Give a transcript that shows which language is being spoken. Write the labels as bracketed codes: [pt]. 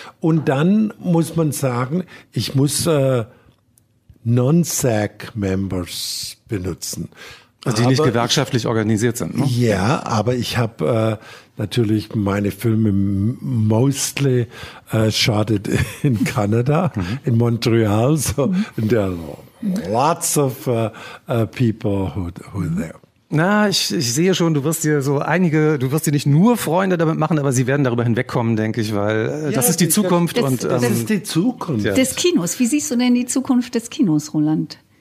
[de] Und dann muss man sagen, ich muss Non-SAG-Members benutzen. Also die nicht gewerkschaftlich organisiert sind. Ne? Ja, aber ich habe natürlich meine Filme [en] mostly shot [de] in Kanada, in Montreal. [en] So, and there are lots of people who are there. [de] Na, ich sehe schon, du wirst dir nicht nur Freunde damit machen, aber sie werden darüber hinwegkommen, denke ich, weil das ist die Zukunft. Das ist die Zukunft. Des Kinos. Wie siehst du denn die Zukunft des Kinos, Roland?